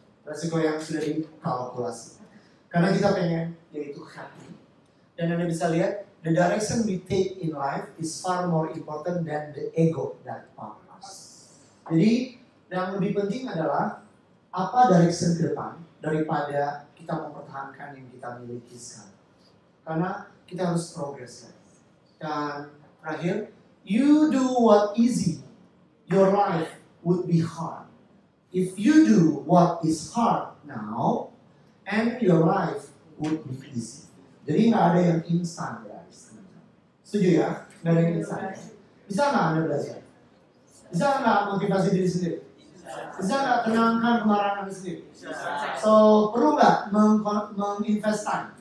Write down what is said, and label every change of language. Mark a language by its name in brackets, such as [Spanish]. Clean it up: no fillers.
[Indonesian] Resiko yang sudah dikalkulasi. Karena kita pengen yaitu happy. Dan Anda bisa lihat [English] the direction we take in life is far more important than the ego that powers. [Indonesian] Jadi yang lebih penting adalah apa direction ke depan daripada kita mempertahankan yang kita miliki sekarang. Karena kita harus progress. Dan terakhir, [English] you do what easy, your life would be hard. If you do what is hard now, and your life would be easy. [Indonesian] Jadi nggak ada yang instan, guys. Setuju ya? Nggak ada yang instan. Bisa nggak Anda belajar? Bisa nggak motivasi diri sendiri? Bisa nggak tenangkan kemarahan Anda sendiri? Bisa. So, perlu nggak menginvestan?